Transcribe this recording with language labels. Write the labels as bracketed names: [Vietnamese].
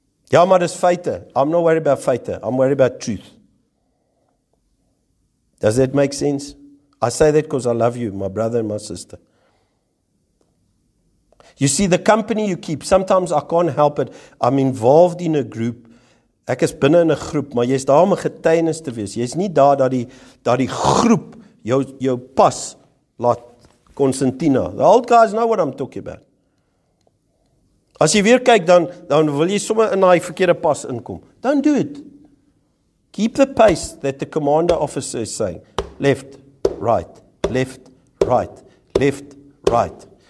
[Afrikaans] Ja, maar dis feite. [English] I'm not worried about feite. I'm worried about truth. Does that make sense? I say that because I love you, my brother and my sister. You see, the company you keep, sometimes I can't help it. I'm involved in a group. [Afrikaans] Ek is binne in 'n groep, maar jy is daar om 'n getuienis te wees. Jy is nie daar dat die groep jou pas. Laat Constantina. [English] The old guys know what I'm talking about. [Afrikaans] As jy weer kyk, dan wil jy sommer in daai verkeerde pas inkom. [English] Don't do it. Keep the pace that the commander officer is saying. Left, right, left, right, left, right.